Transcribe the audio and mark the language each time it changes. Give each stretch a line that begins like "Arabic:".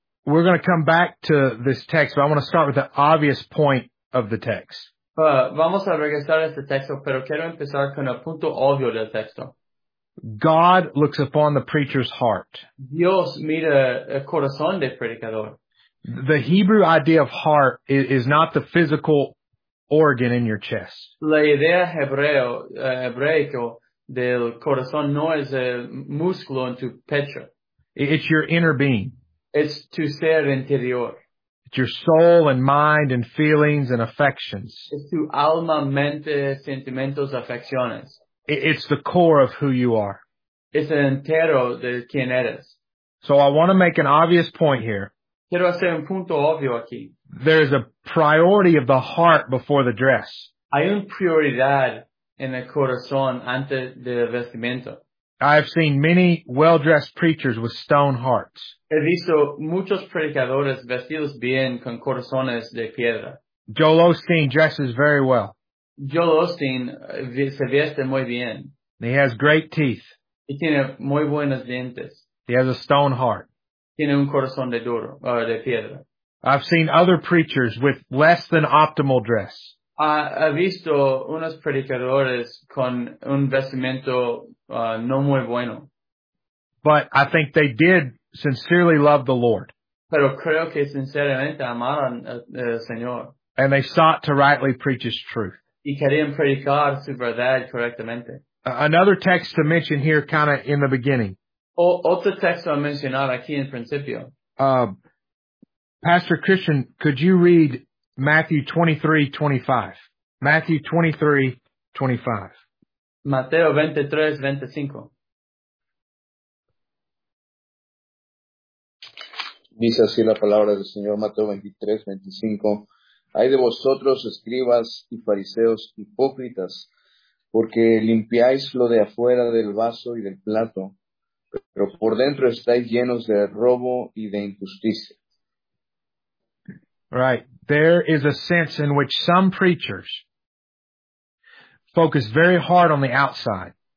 English: we're going to come back to this text, but I want to start with the obvious point of the text.
Spanish: Vamos a regresar a este texto, pero quiero empezar con el punto obvio del texto.
English: God looks upon the preacher's heart.
Spanish: Dios mira el corazón del predicador.
English: The Hebrew idea of heart is not the physical organ in your chest.
Spanish: La idea hebreo del corazón no es el músculo en tu pecho.
English: It's your inner being.
Spanish: Es tu ser interior.
English: It's your soul and mind and feelings and affections.
Spanish: Es tu alma, mente, sentimientos, afecciones.
English: It's the core of who you are.
Spanish: Es el entero de quien eres.
English: So I want to make an obvious point here.
Spanish: Quiero hacer un punto obvio aquí.
English: There is a priority of the heart before the dress.
Spanish: Hay una prioridad en el corazón antes del vestimiento.
English: I have seen many well-dressed preachers with stone hearts.
Spanish: He visto muchos predicadores vestidos bien con corazones de piedra.
English: Joel Osteen dresses very well.
Spanish: Joel Osteen se viste muy bien.
English: He has great teeth.
Spanish: Y tiene muy buenos dientes.
English: He has a stone heart.
Spanish: Tiene un corazón de duro, de piedra.
English: I've seen other preachers with less than optimal dress.
Spanish: He visto unos predicadores con un vestimiento no muy bueno.
English: But I think they did sincerely love the Lord.
Spanish: Pero creo que sinceramente amaron al Señor.
English: And they sought to rightly preach His truth.
Spanish: Y querían predicar su verdad correctamente.
English: Another text to mention here kind of in the beginning.
Spanish: Otro texto a mencionar aquí en principio.
English: Pastor Christian, could you read Matthew 23:25? Matthew 23:25.
Spanish: Mateo 23:25. Dice así la palabra del Señor, Mateo 23:25. Hay de vosotros, escribas y fariseos hipócritas, porque limpiáis lo de afuera del vaso y del plato, pero por dentro estáis llenos de robo y de injusticia.
English: Right. There is a sense in which some preachers focus very hard on the outside.